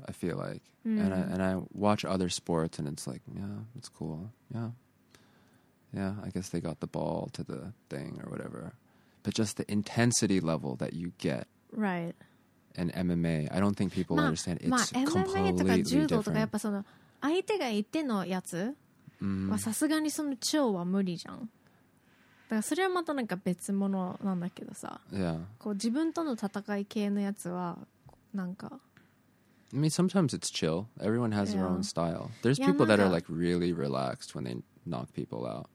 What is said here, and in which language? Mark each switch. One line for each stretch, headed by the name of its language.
English: I feel like, and I watch other sports, and it's like, yeah, it's cool. Yeah, yeah. I guess they got the ball to the thing or whatever, but just the intensity level that you get. Right. And MMA, I don't think people understand. It's completely different.
Japanese: MMA とか柔道とかやっぱその相手が言ってのやつはさすがにその超は無理じゃん。だからそれはまたなんか別物なんだけどさ。
English: Yeah.
Japanese: こう自分との戦い系のやつはなんか。
English: I mean, sometimes it's chill. Everyone has their own style. There's people that are like really relaxed when they knock people out.